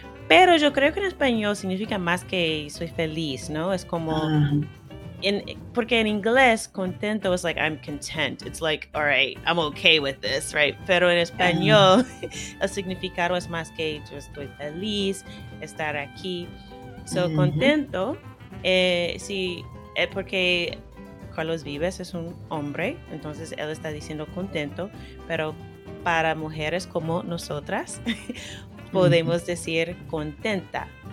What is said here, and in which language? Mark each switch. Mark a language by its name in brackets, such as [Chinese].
[Spanish] Pero yo creo que en español significa más que soy feliz, ¿no? Es como, porque en inglés, contento es [English] like, I'm content. It's like, all right, I'm okay with this, right? [Spanish] Pero en español, el significado es más que yo estoy feliz, estar aquí. So, contento, sí, porque Carlos Vives es un hombre, entonces él está diciendo contento, pero para mujeres como nosotras, podemos decir contenta.